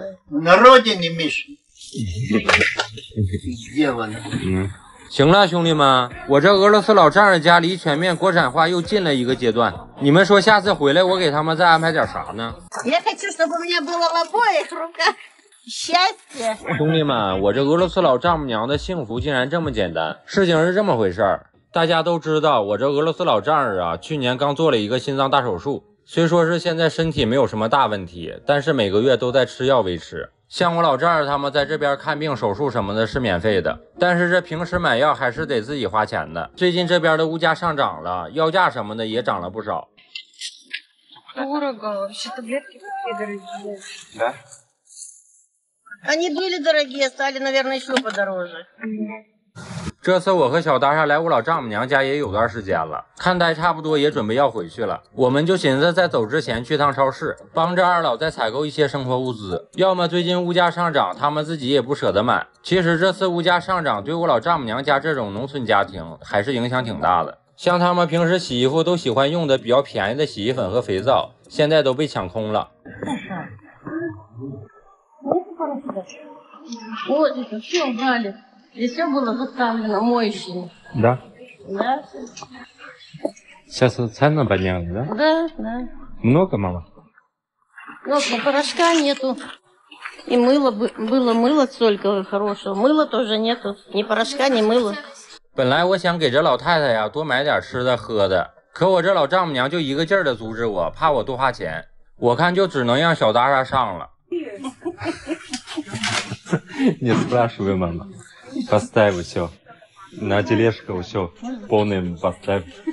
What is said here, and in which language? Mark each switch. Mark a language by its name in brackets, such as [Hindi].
[Russian] На родине, Миша. [Chinese] 行了，兄弟们，我这俄罗斯老丈人家离全面国产化又近了一个阶段。你们说下次回来我给他们再安排点啥呢？ [Russian] я хочу, чтобы у меня было в обоих руках счастье. [Chinese] 兄弟们，我这俄罗斯老丈母娘的幸福竟然这么简单。事情是这么回事儿，大家都知道，我这俄罗斯老丈人啊，去年刚做了一个心脏大手术。虽说是现在身体没有什么大问题，但是每个月都在吃药维持。像我老丈人他们在这边看病手术什么的是免费的，但是这平时买药还是得自己花钱的。最近这边的物价上涨了，药价什么的也涨了不少。 [Russian] Дорого. Вообще таблетки такие дорогие. Да? Они были дорогие, стали, наверное, еще подороже. [Chinese] 这次我和小达莎来我老丈母娘家也有段时间了，看待差不多也准备要回去了，我们就寻思在走之前去趟超市，帮着二老再采购一些生活物资，要么最近物价上涨他们自己也不舍得买。其实这次物价上涨对我老丈母娘家这种农村家庭还是影响挺大的，像他们平时洗衣服都喜欢用的比较便宜的洗衣粉和肥皂现在都被抢空了。这是我这个 [Russian] И все было заставлено, моющими. Да? Да. Сейчас цены подняли, да? Да, да. Много, мама? Много, порошка нету. И мыло, было мыло только хорошего. Мыла тоже нету. Ни порошка, ни мыла. [Chinese] 本来我想给这老太太呀多买点吃的喝的，可我这老丈母娘就一个劲儿的阻止我，怕我多花钱。我看就只能让小达莎上了。 [Russian] Не спрашивай, мама. Поставь все. На тележку все. Полным поставь.